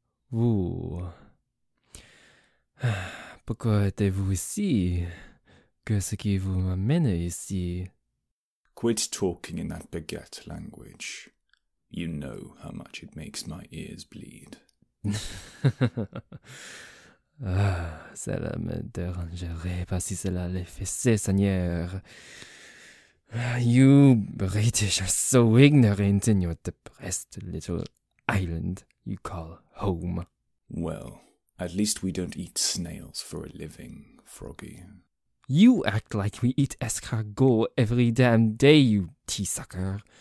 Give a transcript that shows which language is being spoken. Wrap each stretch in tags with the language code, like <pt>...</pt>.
<fr>Vous. Pourquoi êtes-vous ici? Qu'est-ce qui vous amène ici?</fr> <en>Quit talking in that baguette language. You know how much it makes my ears bleed.</en> <fr>Ah, cela me dérangerait pas si cela les faisait, Seigneur.</fr> <en>You British are so ignorant in your depressed little island you call home. Well, at least we don't eat snails for a living, Froggy. You act like we eat escargot every damn day, you tea sucker.</en>